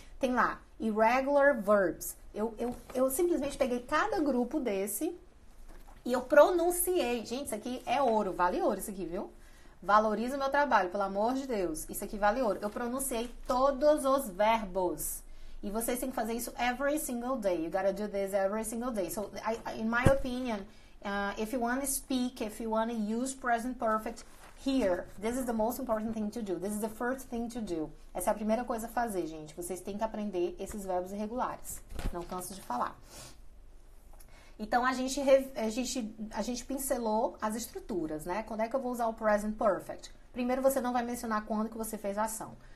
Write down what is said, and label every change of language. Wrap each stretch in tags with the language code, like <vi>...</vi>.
<pt>Tem lá, irregular verbs. Eu simplesmente peguei cada grupo desse. E eu pronunciei. Gente, isso aqui é ouro. Vale ouro isso aqui, viu? Valoriza o meu trabalho, pelo amor de Deus. Isso aqui vale ouro. Eu pronunciei todos os verbos. E vocês têm que fazer isso</pt> <en>every single day. You gotta do this every single day. So, in my opinion, if you want to speak, if you want to use present perfect, here. This is the most important thing to do. This is the first thing to do.</en> <pt>Essa é a primeira coisa a fazer, gente. Vocês têm que aprender esses verbos irregulares. Não canso de falar. Então, a gente pincelou as estruturas, né? Quando é que eu vou usar o present perfect? Primeiro, você não vai mencionar quando que você fez a ação.</pt>